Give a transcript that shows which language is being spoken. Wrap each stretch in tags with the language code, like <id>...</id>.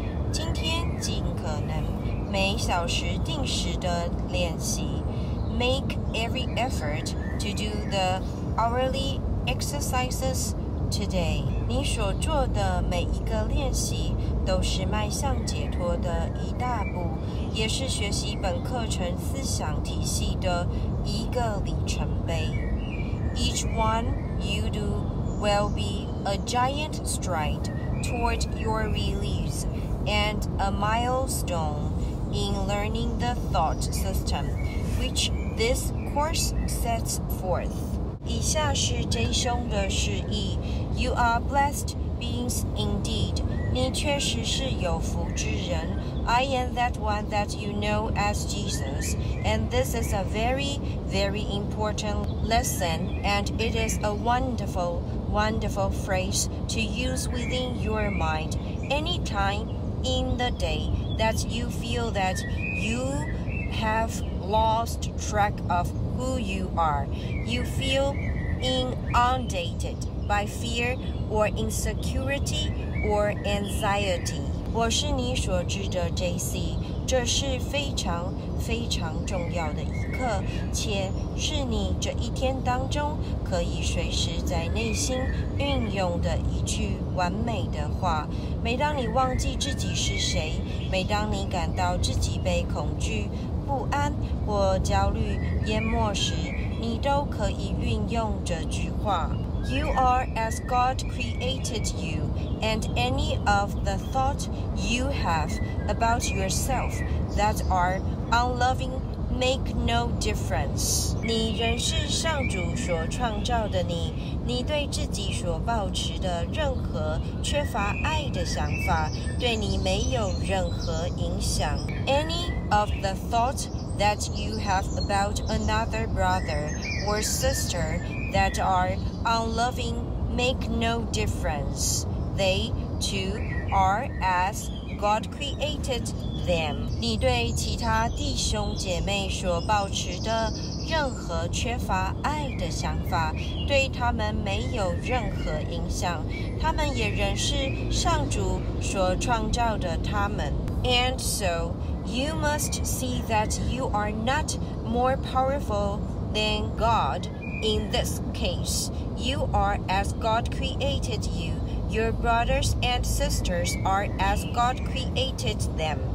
<zh>今天尽可能每小时定时的练习。</zh> <en>Make every effort to do the hourly exercises today.</en> <zh>你所做的每一个练习都是迈向解脱的一大步，也是学习本课程思想体系的一个里程碑。</zh> <en>Each one you do will be a giant stride toward your release and a milestone in learning the thought system which this course sets forth.</en> <zh>以下是真凶的释义。</zh> <en>You are blessed beings indeed.</en> <zh>你确实是有福之人。</zh> <en>I am that one that you know as Jesus, and this is a very, very important lesson, and it is a wonderful, wonderful phrase to use within your mind anytime in the day that you feel that you have lost track of who you are. You feel inundated by fear or insecurityOr anxiety.</en> <zh>我是你所知的 JC， 这是非常非常重要的一课，且是你这一天当中可以随时在内心运用的一句完美的话。每当你忘记自己是谁，每当你感到自己被恐惧、不安或焦虑淹没时，你都可以运用这句话。</zh> <en>You are as God created you, and any of the thoughts you have about yourself that are unloving make no difference.</en> <zh>你仍是上主所创造的你，你对自己所抱持的任何缺乏爱的想法对你没有任何影响。</zh> <en>Any of the thoughts that you have about another brother or sister that are unloving make no difference. They too are as God created them.</en> <zh>你对其他弟兄姐妹所保持的任何缺乏爱的想法，对他们没有任何影响。他们也仍是上主所创造的他们。</zh> <en>And so, you must see that you are not more powerful than God. In this case, you are as God created you. Your brothers and sisters are as God created them.</en>